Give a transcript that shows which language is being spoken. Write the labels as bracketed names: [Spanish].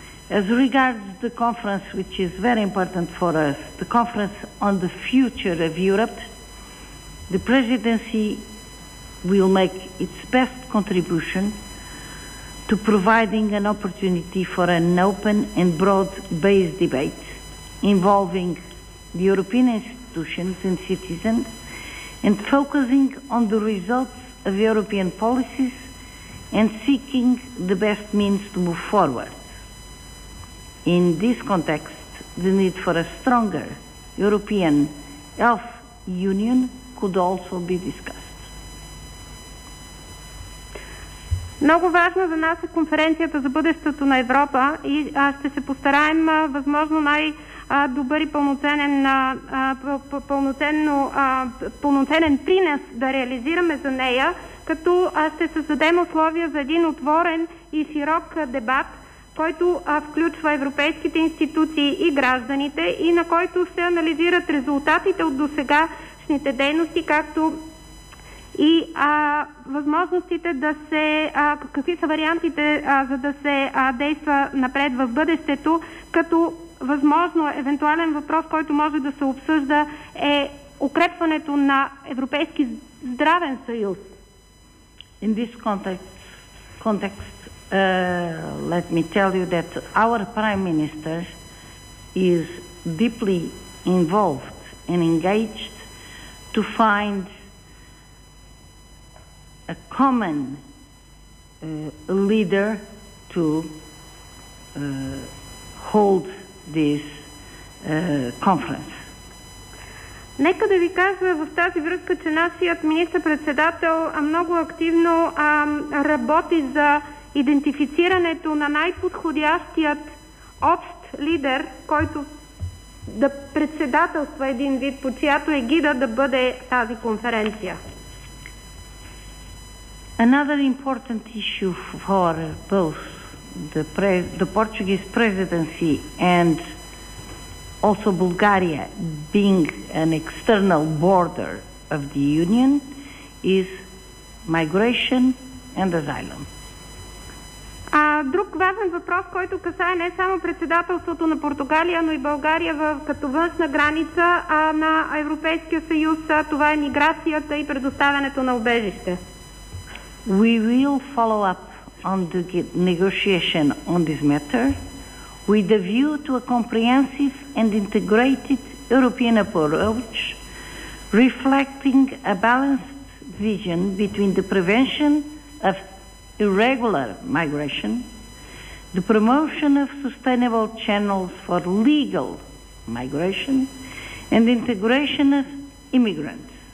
[English] As regards the conference, which is very important for us, the conference on the future of Europe, the presidency will make its best contribution to providing an opportunity for an open and broad-based debate involving the European institutions and citizens and focusing on the results of European policies and seeking the best means to move forward. In this context, the need for a stronger European health union could also be discussed. [Bulgarian] Много важна за нас е конференцията за бъдещето на Европа и ще се постараем възможно най-добър и пълноценен принес да реализираме за нея, като ще създадем условия за един отворен и широк дебат, който включва европейските институции и гражданите и на който се анализират резултатите от досегашните дейности, както и възможностите да се, какви са вариантите за да се действа напред в бъдещето, като възможно евентуален въпрос, който може да се обсъжда, е укрепването на Европейски здравен съюз. [English] In this context, let me tell you that our Prime Minister is deeply involved and engaged to find a common leader to hold this conference. [Bulgarian] Нека да ви кажа в тази връзка, че нашият министър-председател много активно работи за идентифицирането на най-подходящият общ лидер, който да председателства един вид, по чиято егида да бъде тази конференция. [English] Another important issue for both the Portuguese presidency and also Bulgaria being an external border of the Union is migration and asylum. [Bulgarian] Друг важен въпрос, който касае не само председателството на Португалия, но и България в като външна граница на Европейския съюз, това е миграцията и предоставянето на убежище. [English] We will follow up on the negotiation on this matter with a view to a comprehensive and integrated European approach reflecting a balanced vision between the prevention of irregular migration, the promotion of sustainable channels for legal migration, and integration of immigrants.